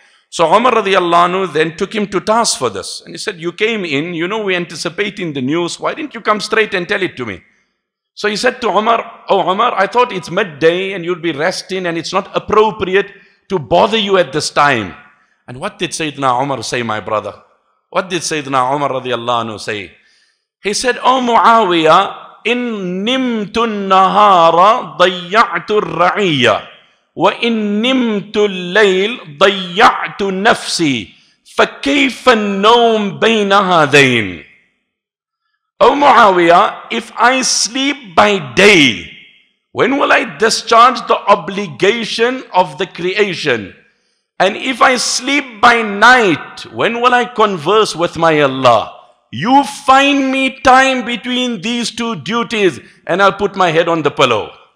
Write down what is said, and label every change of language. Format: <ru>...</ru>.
<en>So Umar radiallahu anhu then took him to task for this. And he said, you came in, you know we're anticipating the news, why didn't you come straight and tell it to me? So he said to Umar, oh Umar, I thought it's midday and you'll be resting and it's not appropriate to bother you at this time. And what did Sayyidina Umar say, my brother? What did Sayyidina Umar radiallahu anhu say? He said, oh Muawiyah,</en> <ar>إن نمت النهار ضيعت الرعية وإن نمت الليل ضيعت نفسي فكيف النوم بين هذين.</ar> <en>Oh Muawiyah, if I sleep by day, when will I discharge the obligation of the creation? And if I sleep by night, when will I converse with my Allah? You find me time between these two duties and I'll put my head on the pillow.</en>